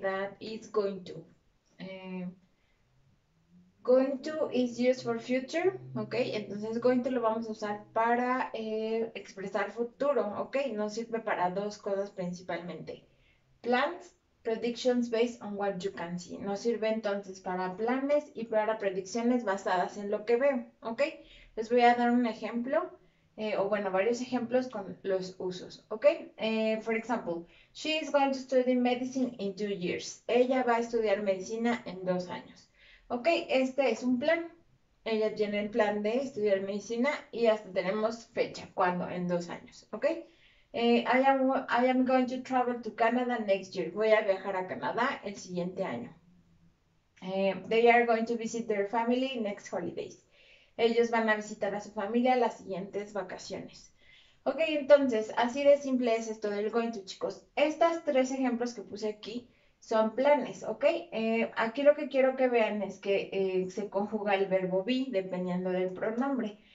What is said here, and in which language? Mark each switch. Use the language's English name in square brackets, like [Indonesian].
[English] That is going to is used for future, okay? [Spanish] Entonces going to lo vamos a usar para expresar futuro, okay? Nos sirve para dos cosas principalmente. [English] Plans, predictions based on what you can see. [Spanish] Nos sirve entonces para planes y para predicciones basadas en lo que veo, okay? Les voy a dar un ejemplo. O bueno, varios ejemplos con los usos, ¿ok? [English] For example, she is going to study medicine in 2 years. [Spanish] Ella va a estudiar medicina en 2 años. ¿Ok? Este es un plan. Ella tiene el plan de estudiar medicina y hasta tenemos fecha. ¿Cuándo? En 2 años, ¿ok? [English] I am going to travel to Canada next year. [Spanish] Voy a viajar a Canadá el siguiente año. [English] They are going to visit their family next holidays. [Spanish] Ellos van a visitar a su familia las siguientes vacaciones. Ok, entonces, así de simple es esto del going to, chicos. Estos tres ejemplos que puse aquí son planes, ¿ok? Aquí lo que quiero que vean es que se conjuga el verbo be dependiendo del pronombre.